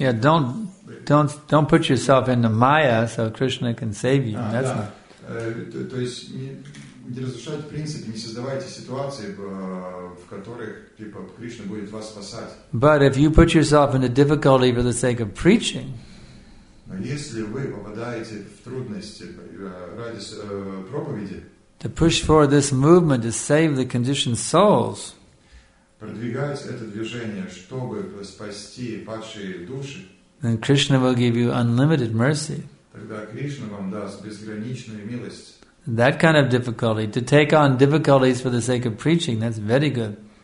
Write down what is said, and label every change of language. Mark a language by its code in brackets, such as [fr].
[en] Yeah, don't put yourself into Maya so Krishna can save you. That's not. [ru] То есть не разрушайте принципы, не создавайте ситуации, в которых типа Кришна будет вас спасать. [en] But if you put yourself into difficulty for the sake of preaching. [ru] Но если вы попадаете в трудности ради проповеди, [en] to push for this movement to save the conditioned souls, [ru] продвигать это движение, чтобы спасти падшие души, [en] then Krishna will give you unlimited mercy. [ru] Тогда Кришна вам даст безграничную милость. [en] That kind of difficulty, to take on difficulties for the sake of preaching, that's very good.